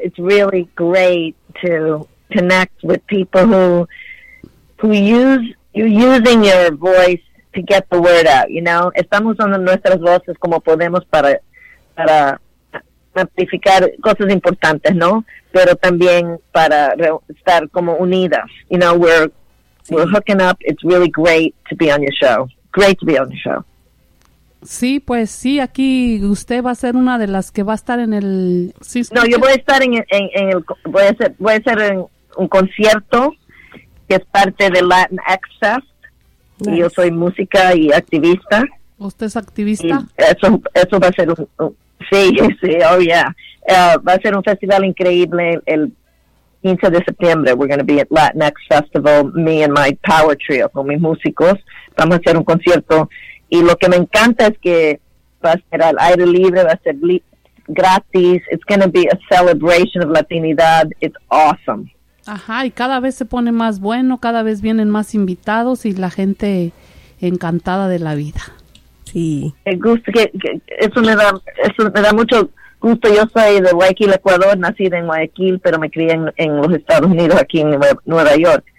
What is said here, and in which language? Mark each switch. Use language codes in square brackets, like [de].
[en] It's really great to connect with people who use your voice to get the word out. You know, [es] estamos usando nuestras voces como podemos para amplificar cosas importantes, ¿no? Pero también para estar como unidas. [en] You know, we're hooking up. It's really great to be on your show. Great to be on your show. [es] Sí, pues sí, aquí usted va a ser una de las que va a estar en el... Sí, no, yo voy a estar en el... Voy a hacer en un concierto que es parte de Latin Access. [en] Nice. [es] Y yo soy música y activista. ¿Usted es activista? Eso va a ser un Sí, [en] oh yeah. [es] Va a ser un festival increíble el 15 de septiembre. [en] We're going to be at Latinx Festival, me and my power trio, [es] con mis músicos. Vamos a hacer un concierto. Y lo que me encanta es que va a ser al aire libre, va a ser gratis. [en] It's going to be a celebration of Latinidad. It's awesome. [es] Ajá, y cada vez se pone más bueno, cada vez vienen más invitados y la gente encantada de la vida. Sí. Eso me da mucho gusto. Yo soy de Guayaquil, Ecuador, nací en Guayaquil, pero me crié en los Estados Unidos, aquí en Nueva York.